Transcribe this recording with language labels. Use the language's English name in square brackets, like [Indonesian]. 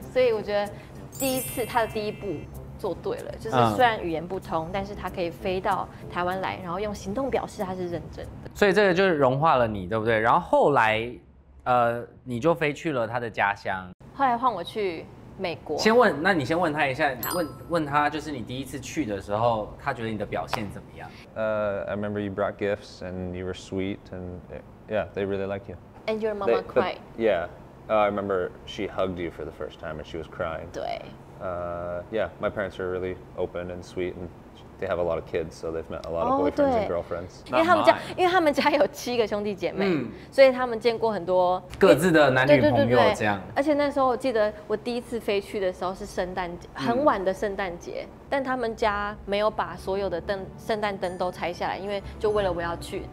[Chinese] 所以我觉得第一次他的第一步。做对了，就是虽然语言不通，但是他可以飞到台湾来，然后用行动表示他是认真的。所以这个就是融化了你，对不对？然后后来，你就飞去了他的家乡。后来换我去美国。先问，那你先问他一下，问他，就是你第一次去的时候，他觉得你的表现怎么样？ [English] I remember you brought gifts and you were sweet and yeah, they really like you. And your mama cried. Yeah, I remember she hugged you for the first time and she was crying. [Chinese] 对。 [English] Yeah, my parents are really open and sweet, and they have a lot of kids, so they've met a lot of boyfriends and girlfriends. [Chinese] 因为他们家，因为他们家有7个兄弟姐妹，所以他们见过很多各自的男女朋友这样。而且那时候我记得我第一次飞去的时候是圣诞节，很晚的圣诞节，但他们家没有把所有的圣诞灯都拆下来，因为就为了我要去，